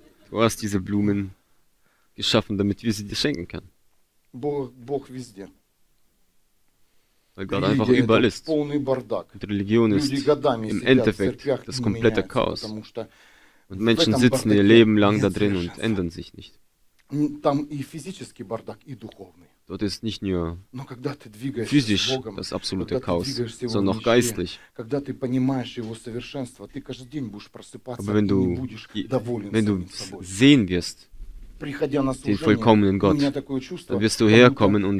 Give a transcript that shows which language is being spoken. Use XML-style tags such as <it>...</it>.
<de>Du hast diese Blumen geschaffen, damit wir sie dir schenken können. Weil Gott einfach überall ist. Und Religion ist im Endeffekt das komplette Chaos. Und Menschen sitzen ihr Leben lang da drin und ändern sich nicht.</de> <ru>Там и физический бардак, и духовный.</ru> <de>Dort ist nicht nur physisch das absolute Chaos, sondern auch geistlich. Aber wenn du sehen wirst, den vollkommenen Gott, dann wirst du herkommen und</de>